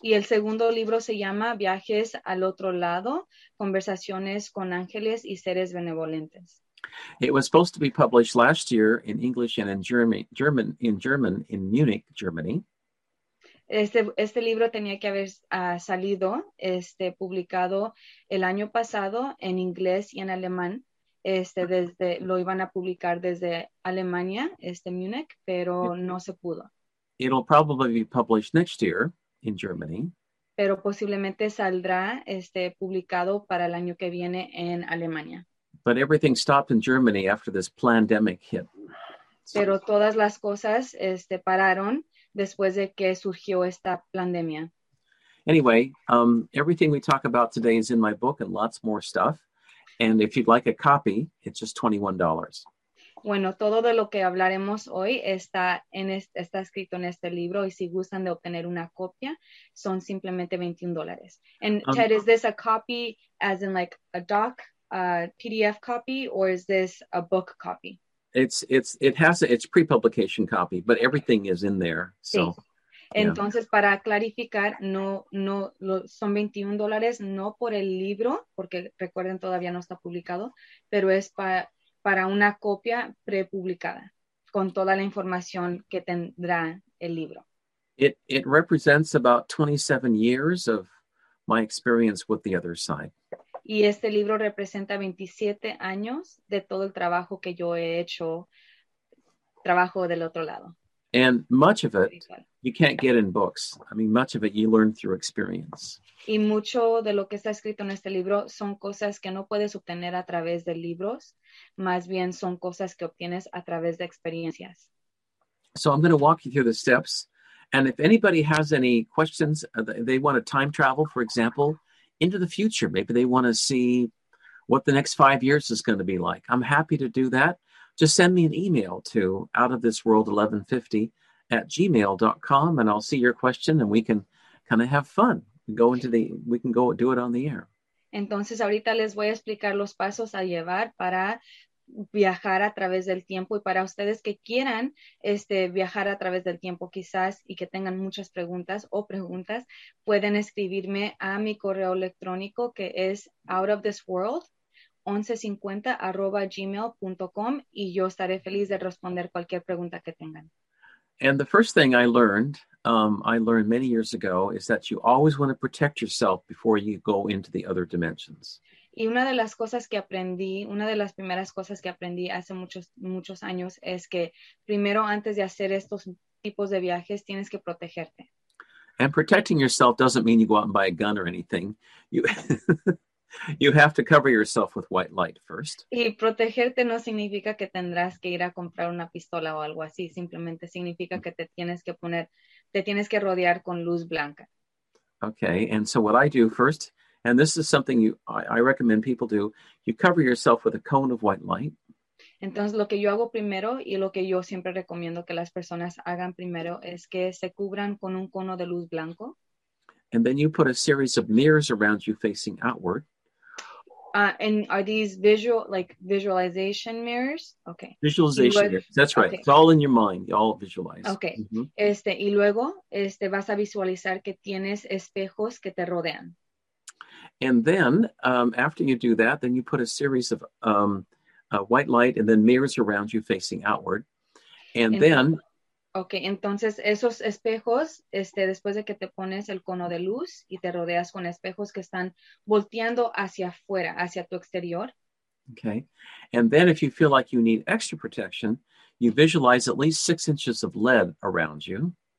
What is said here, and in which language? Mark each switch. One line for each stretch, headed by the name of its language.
Spanish: Y el segundo libro se llama Viajes al Otro Lado, Conversaciones con Ángeles y Seres Benevolentes.
English: It was supposed to be published last year in English and in German in Munich, Germany.
Spanish: Este libro tenía que haber salido publicado el año pasado en inglés y en alemán. Desde lo iban a publicar desde Alemania, Munich, pero no se pudo.
English: It'll probably be published next year in Germany.
Spanish: Pero posiblemente saldrá publicado para el año que viene en Alemania.
English: But everything stopped in Germany after this pandemic hit.
Spanish: Pero todas las cosas pararon después de que surgió esta pandemia.
English: Anyway, everything we talk about today is in my book and lots more stuff. And if you'd like a copy, it's just $21.
Spanish: Bueno, todo de lo que hablaremos hoy está escrito en este libro. Y si gustan de obtener una copia, son simplemente $21.
English: And Ted, is this a copy as in like a doc, a PDF copy, or is this a book copy? It's pre-publication copy, but everything is in there. So.
Spanish: Sí. Entonces,
English: yeah.
Spanish: Para clarificar, no son $21, no por el libro, porque recuerden, todavía no está publicado, pero es para una copia prepublicada con toda la información que tendrá el libro.
English: It represents about 27 years of my experience with the other side.
Spanish: Y este libro representa 27 años de todo el trabajo que yo he hecho, trabajo del otro lado.
English: And much of it, you can't get in books. I mean, much of it you learn through experience.
Spanish: Y mucho de lo que está escrito en este libro son cosas que no puedes obtener a través de libros. Más bien son cosas que obtienes a través de experiencias.
English: So I'm going to walk you through the steps. And if anybody has any questions, they want to time travel, for example, into the future. Maybe they want to see what the next 5 years is going to be like. I'm happy to do that. Just send me an email to outofthisworld1150@gmail.com and I'll see your question and we can kind of have fun. We can go do it on the air.
Spanish: Entonces ahorita les voy a explicar los pasos a llevar para viajar a través del tiempo y para ustedes que quieran viajar a través del tiempo quizás y que tengan muchas preguntas o preguntas, pueden escribirme a mi correo electrónico que es outofthisworld1150@gmail.com y yo estaré feliz de responder cualquier pregunta que tengan.
English: And the first thing I learned many years ago is that you always want to protect yourself before you go into the other dimensions.
Spanish: Y una de las cosas que aprendí, una de las primeras cosas que aprendí hace muchos, muchos años es que primero antes de hacer estos tipos de viajes tienes que protegerte.
English: And protecting yourself doesn't mean you go out and buy a gun or anything. You have to cover yourself with white light first.
Spanish: Y protegerte no significa que tendrás que ir a comprar una pistola o algo así. Simplemente significa que te tienes que rodear con luz blanca.
English: Okay, and so what I do first, and this is something I recommend people do, you cover yourself with a cone of white light.
Spanish: Entonces lo que yo hago primero y lo que yo siempre recomiendo que las personas hagan primero es que se cubran con un cono de luz blanco.
English: And then you put a series of mirrors around you facing outward. And are these visual, like visualization mirrors? Okay. Visualization mirrors. That's right. Okay. It's all in your mind. You all visualize. Okay. Mm-hmm.
Spanish: Y luego, vas a visualizar que tienes espejos que te rodean.
English: And then, after you do that, then you put a series of white light and then mirrors around you facing outward. And
Spanish: Okay, entonces esos espejos, después de que te pones el cono de luz y te rodeas con espejos que están volteando hacia afuera, hacia tu exterior.
English: Okay, and then if you feel like you need extra protection, you visualize at least 6 inches of lead around you.